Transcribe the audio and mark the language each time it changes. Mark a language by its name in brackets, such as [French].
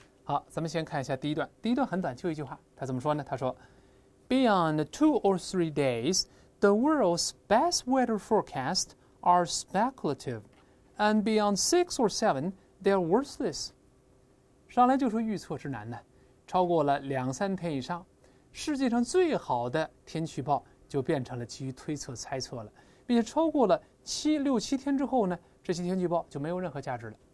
[Chinese] 好，咱们先看一下第一段。第一段很短，就一句话，他怎么说呢？他说：“ [English] Beyond 2 or 3 days, the world's best weather forecasts are speculative, and beyond 6 or 7, they're worthless。” [Chinese] 上来就说预测之难呢，超过了2、3天以上，世界上最好的天气预报就变成了基于推测猜测了，并且超过了6、7天之后呢，这些天气预报就没有任何价值了。